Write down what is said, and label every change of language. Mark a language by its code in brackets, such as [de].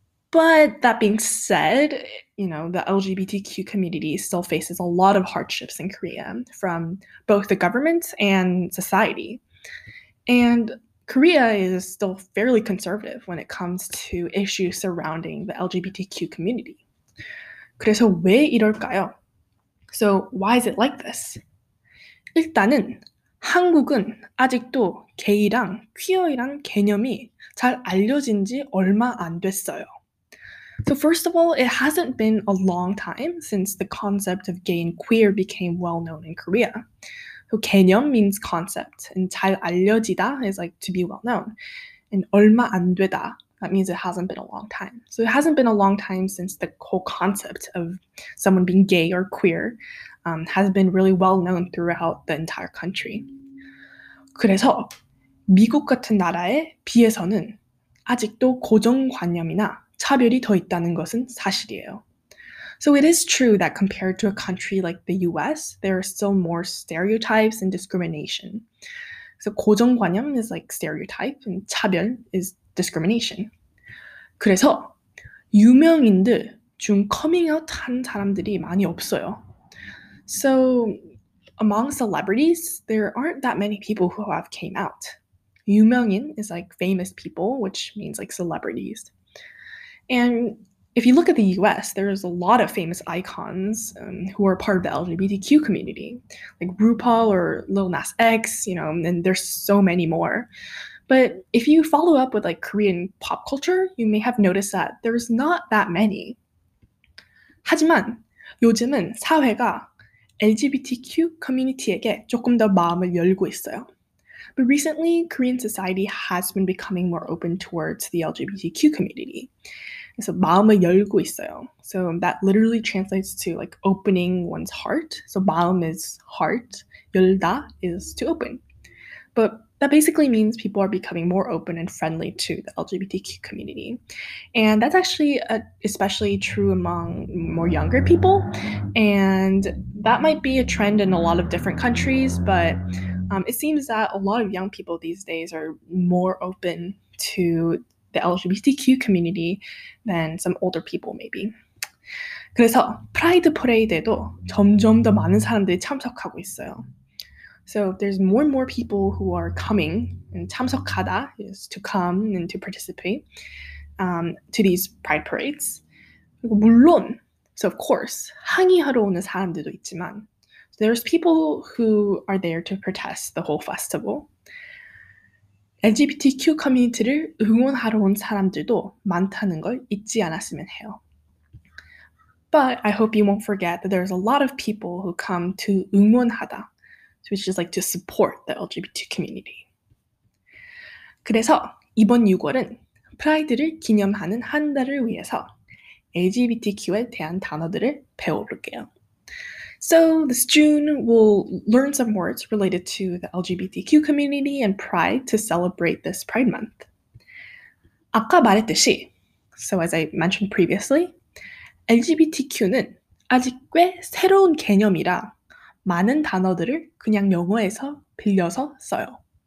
[en] But that being said, you know, the LGBTQ community still faces a lot of hardships in Korea from both the government and society. And Korea is still fairly conservative when it comes to issues surrounding the LGBTQ community. [ko] 그래서 왜 이럴까요? [en] So why is it like this? [ko] 일단은 한국은 아직도 게이랑 퀴어이란 개념이 잘 알려진 지 얼마 안 됐어요. [en] So first of all, it hasn't been a long time since the concept of gay and queer became well known in Korea. So 개념 means concept, and 잘 알려지다 is like to be well known. And 얼마 안 되다, that means it hasn't been a long time. So it hasn't been a long time since the whole concept of someone being gay or queer has been really well known throughout the entire country. [ko] 그래서 미국 같은 나라에 비해서는 아직도 고정관념이나 차별이 더 있다는 것은 사실이에요. [en] So it is true that compared to a country like the US, there are still more stereotypes and discrimination. So 고정관념 is like stereotype, and 차별 is discrimination. [ko] 그래서 유명인들 중 커밍아웃 한 사람들이 많이 없어요. [en] So among celebrities, there aren't that many people who have came out. 유명인 is like famous people, which means like celebrities. And if you look at the US, there's a lot of famous icons who are part of the LGBTQ community, like RuPaul or Lil Nas X, you know, and there's so many more. But if you follow up with like Korean pop culture, you may have noticed that there's not that many. [ko] 하지만 요즘은 사회가 LGBTQ 커뮤니티에게 조금 더 마음을 열고 있어요. [en] But recently, Korean society has been becoming more open towards the LGBTQ community. [ko] So 마음을 열고 있어요. [en] So that literally translates to like opening one's heart. So 마음 is heart, 열다 is to open. But that basically means people are becoming more open and friendly to the LGBTQ community. And that's actually especially true among more younger people. And that might be a trend in a lot of different countries, but it seems that a lot of young people these days are more open to the LGBTQ community than some older people maybe. [ko] 그래서 프라이드 퍼레이드에도 점점 더 많은 사람들이 참석하고 있어요. [en] So there's more and more people who are coming, and 참석하다 is to come and to participate to these pride parades. [ko] 물론, [en] so of course, [ko] 항의하러 오는 사람들도 있지만, [en] so there's people who are there to protest the whole festival. [ko] LGBTQ 커뮤니티를 응원하러 온 사람들도 많다는 걸 잊지 않았으면 해요. [en] But I hope you won't forget that there's a lot of people who come to 응원하다, which is like to support the LGBT community. [ko] 그래서 이번 6월은 프라이드를 기념하는 한 달을 위해서 LGBTQ에 대한 단어들을 배워볼게요. [en] So this June, we'll learn some words related to the LGBTQ community and Pride to celebrate this Pride Month. [ko] 아까 말했듯이, [en] so as I mentioned previously, [ko] LGBTQ는 아직 꽤 새로운 개념이라 많은 단어들을 그냥 영어에서 빌려서 써요.